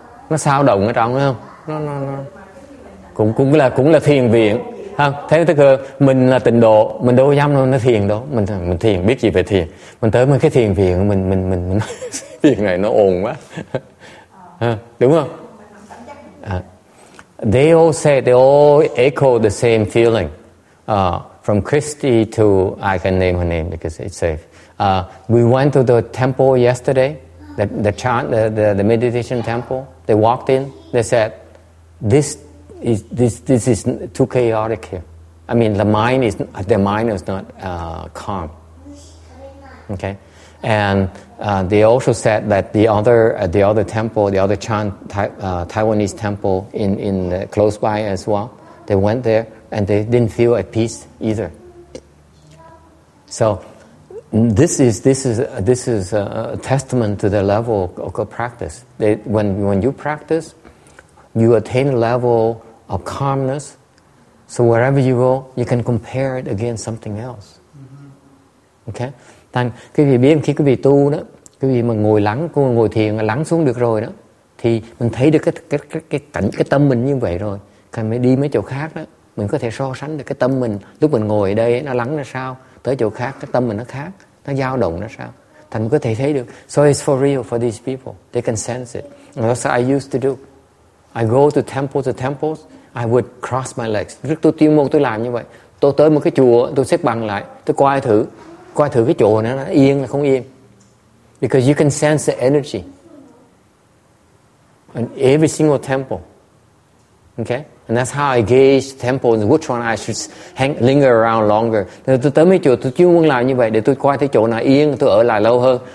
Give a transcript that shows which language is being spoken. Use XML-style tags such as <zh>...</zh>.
<vi>Nó sao động ở trong phải không? Nó cũng là thiền viện. Không, thế tức là mình là tịnh độ, mình đâu có dám nói thiền đâu. Mình thiền, biết gì về thiền. Mình tới mấy cái thiền viện mình thiền này nó ồn quá. Đúng không?</vi> <en>They all say, they all echo the same feeling. From Christy to, I can name her name because it's safe. We went to the temple yesterday, the meditation temple. They walked in, they said, this is too chaotic here. I mean, their mind is not calm. Okay. And they also said that the other temple, the other Chan Taiwanese temple in close by as well, they went there and they didn't feel at peace either. So this is a testament to the level of practice. When you practice, you attain a level of calmness. So wherever you go, you can compare it against something else. Okay.</en> <vi>Thành quý vị biết khi quý vị tu đó, quý vị mà ngồi lắng, ngồi thiền lắng xuống được rồi đó, thì mình thấy được cái cảnh, cái tâm mình như vậy rồi. Còn mới đi mấy chỗ khác đó, mình có thể so sánh được cái tâm mình lúc mình ngồi ở đây nó lắng ra sao, tới chỗ khác cái tâm mình nó khác, nó dao động ra sao. Thành có thể thấy được.</vi> <en>So it's for real for these people. They can sense it. And that's what I used to do. I go to temples to temples. I would cross my legs.</en> <vi>Rất tôi tiêu môn tôi làm như vậy. Tôi tới một cái chùa, tôi xếp bằng lại, tôi coi thử cái chỗ này nó yên là không yên.</vi> <en>Because you can sense the energy in every single temple. Okay? And that's how I gauge temples, which one I should linger around longer.</en> <vi>Tôi tới mấy chùa, tôi chuyên muốn làm như vậy để tôi coi thấy chỗ nào yên, tôi ở lại lâu hơn.</vi>